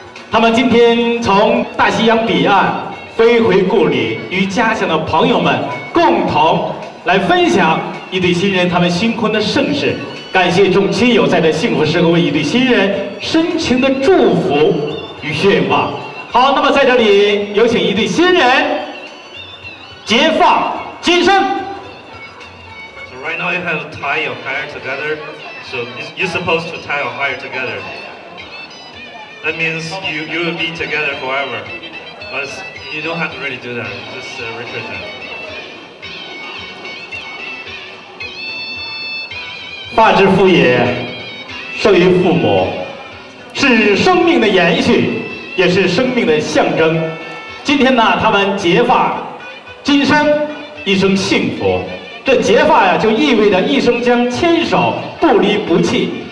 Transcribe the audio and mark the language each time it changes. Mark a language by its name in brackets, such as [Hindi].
[Chinese] 他们今天从大西洋彼岸飞回故里，与家乡的朋友们共同来分享一对新人他们新婚的盛事。感谢众亲友在这幸福时刻为一对新人深情的祝福与愿望。好，那么在这里有请一对新人结发今生。 [English] Right now you have to tie your hair together, so you're supposed to tie your hair together. That means you will be together forever. But you don't have to really do that, just represent. [Chinese] 发之父也，授于父母，是生命的延续，也是生命的象征。今天呢，他们结发，今生一生幸福。这结发呀，就意味着一生将牵手不离不弃。